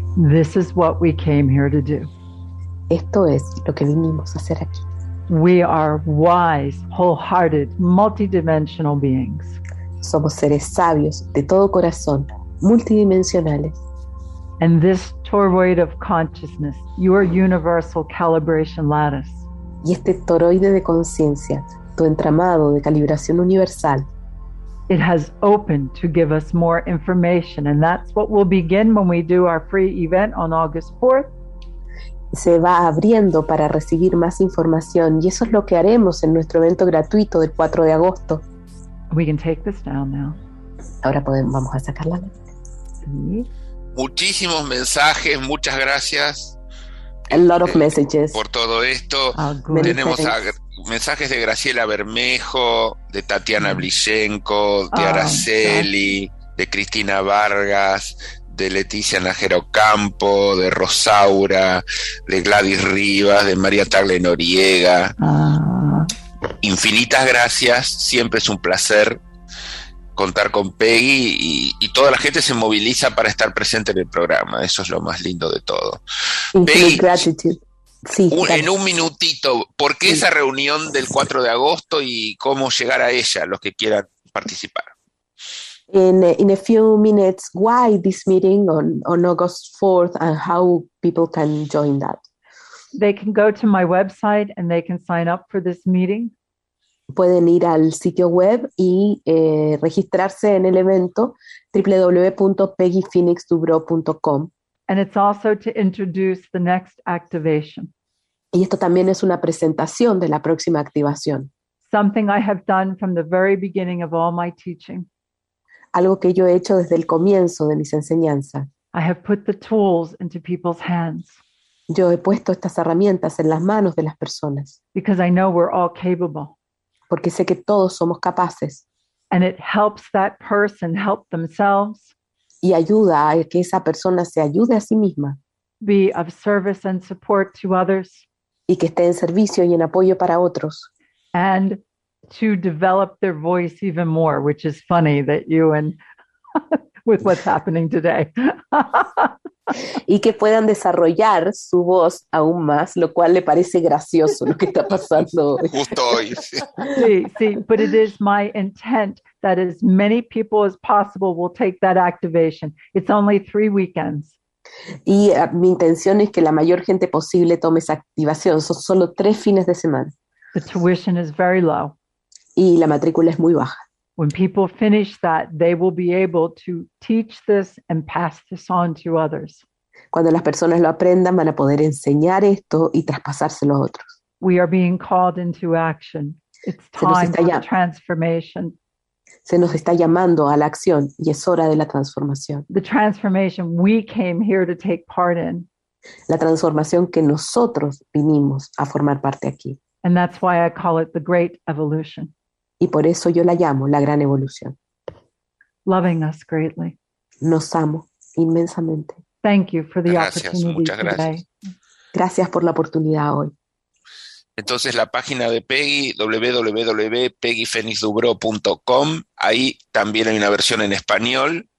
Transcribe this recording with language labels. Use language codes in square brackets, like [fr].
[en] This is what we came here to do. [es] Esto es lo que vinimos a hacer aquí. [en] We are wise, wholehearted, multidimensional beings. [es] Somos seres sabios, de todo corazón, multidimensionales. [en] And this toroid of consciousness, your universal calibration lattice. [es] Y este toroide de conciencia, tu entramado de calibración universal. [en] It has opened to give us more information, and that's what we'll begin when we do our free event on August 4th. [es] Se va abriendo para recibir más información, y eso es lo que haremos en nuestro evento gratuito del 4 de agosto. [en] We can take this down now. [es] Ahora podemos, vamos a sacarla. Sí. Muchísimos mensajes, muchas gracias. [en] A lot of messages. [es] Por todo esto, tenemos mensajes de Graciela Bermejo, de Tatiana Blishenko, de Araceli, de Cristina Vargas, de Leticia Najero Campo, de Rosaura, de Gladys Rivas, de María Tagle Noriega. Infinitas gracias, siempre es un placer contar con Peggy y toda la gente se moviliza para estar presente en el programa. Eso es lo más lindo de todo. Peggy, gratitud. Sí, en un minutito, ¿por qué esa reunión del 4 de agosto y cómo llegar a ella, los que quieran participar? [en] In a few minutes, why this meeting on August 4th and how people can join that? They can go to my website and they can sign up for this meeting. [es] Pueden ir al sitio web y registrarse en el evento www.peggyphoenixdubrow.com. [en] And it's also to introduce the next activation. [es] Y esto también es una presentación de la próxima activación. [en] Something I have done from the very beginning of all my teaching. [es] Algo que yo he hecho desde el comienzo de mis enseñanzas. [en] I have put the tools into people's hands. [es] Yo he puesto estas herramientas en las manos de las personas. [en] Because I know we're all capable. [es] Porque sé que todos somos capaces. [en] And it helps that person help themselves. [es] Y ayuda a que esa persona se ayude a sí misma. [en] Be of service and support to others. [es] Y que esté en servicio y en apoyo para otros. [en] And to develop their voice even more, which is funny that you and with what's happening today. [es] Y que puedan desarrollar su voz aún más, lo cual le parece gracioso lo que está pasando hoy. Justo hoy. [en] Sí, sí, but it is my intent that as many people as possible will take that activation. It's only 3 weekends. [es] Y mi intención es que la mayor gente posible tome esa activación. Son solo 3 fines de semana. [en] The tuition is very low. [es] Y la matrícula es muy baja. [en] When people finish that, they will be able to teach this and pass this on to others. [es] Cuando las personas lo aprendan, van a poder enseñar esto y traspasárselo a otros. [en] We are being called into action. It's time for transformation. [es] Se nos está llamando a la acción y es hora de la transformación. [en] The transformation we came here to take part in. [es] La transformación que nosotros vinimos a formar parte aquí. [en] And that's why I call it the great evolution. [es] Y por eso yo la llamo la gran evolución. [en] Loving us greatly. [es] Nos amo inmensamente. [en] Thank you for the opportunity today. [es] Gracias por la oportunidad hoy. Entonces la página de Peggy, www.peggyphoenixdubrow.com, ahí también hay una versión en español.